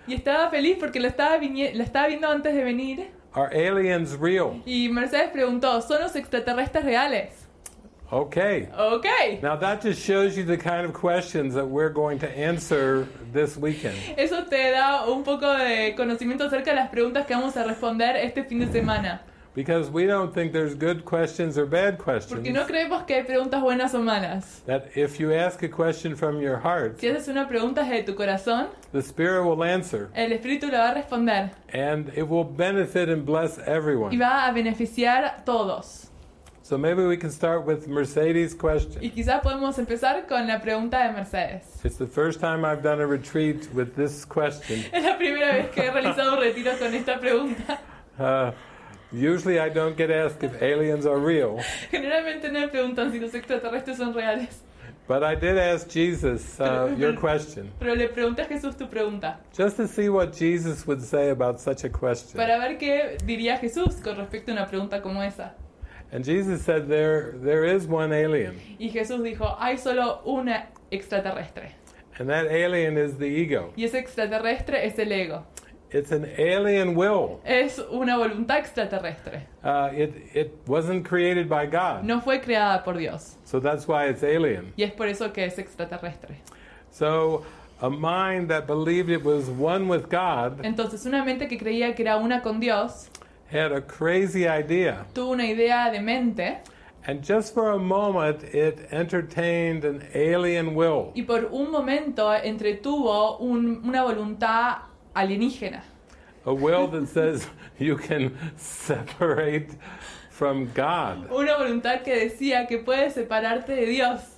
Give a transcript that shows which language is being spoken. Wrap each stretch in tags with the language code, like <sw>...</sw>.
<es>Y estaba feliz porque lo estaba viendo antes de venir.</es> <en>Are aliens real?</en> <es>Y Mercedes preguntó, ¿son los extraterrestres reales?</es> <en>Okay. Okay. Now that just shows you the kind of questions that we're going to answer this weekend.</en> <es>Eso te da un poco de conocimiento acerca de las preguntas que vamos a responder este fin de semana.</es> <en>Because we don't think there's good questions or bad questions.</en> <es>Porque no creemos que hay preguntas buenas o malas.</es> <en>That if you ask a question from your heart,</en> <es>si haces una pregunta desde tu corazón,</es> <en>the Spirit will answer.</en> <es>El Espíritu la va a responder.</es> <en>And it will benefit and bless everyone.</en> <es>Y va a beneficiar a todos.</es> <en>So maybe we can start with Mercedes' question.</en> <es>Y quizá podemos empezar con la pregunta de Mercedes.</es> <en>It's the first time I've done a retreat with this question.</en> <es>Es la primera vez que he realizado un retiro con esta pregunta.</es> <en>Usually I don't get asked if aliens are real.</en> <es>Generalmente no me preguntan si los extraterrestres son reales.</es> <en>But I did ask Jesus your question.</en> <es>Pero le pregunté a Jesús tu pregunta.</es> <en>Just to see what Jesus would say about such a question.</en> <es>Para ver qué diría Jesús con respecto a una pregunta como esa.</es> <en>And Jesus said, "There is one alien."</en> <es>Y Jesús dijo, hay solo un extraterrestre.</es> <en>And that alien is the ego.</en> <es>Y ese extraterrestre es el ego.</es> <en>It's an alien will.</en> <es>Es una voluntad extraterrestre.</es> <en>It wasn't created by God.</en> <es>No fue creada por Dios.</es> <en>So that's why it's alien.</en> <es>Y es por eso que es extraterrestre.</es> <en>So a mind that believed it was one with God.</en> <es>Entonces una mente que creía que era una con Dios.</es> <en>Had a crazy idea.</en> <es>Tuvo una idea demente.</es> <en>And just for a moment, it entertained an alien will.</en> <es>Y por un momento entretuvo una voluntad alienígena.</es> <en>A will that says you can separate from God.</en> <es>Una voluntad que decía que puedes separarte de Dios.</es>